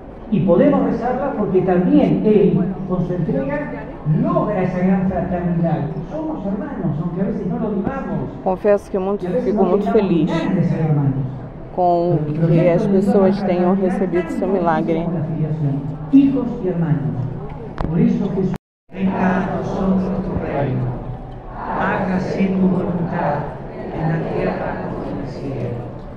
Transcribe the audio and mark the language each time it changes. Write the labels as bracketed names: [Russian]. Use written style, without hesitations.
[Portuguese] E podemos rezarla porque também Ele, com sua entrega, logra essa gran fraternidade. [Spanish] Somos hermanos, aunque a veces no lo vivamos. [Portuguese] Confesso que muito, fico muito feliz com que as pessoas tenham recebido seu milagre. [Spanish] Hijos e hermanos, [Portuguese] por isso [Spanish] Jesus, venga a nosotros tu reino, hágase tu voluntad en la tierra como en el cielo.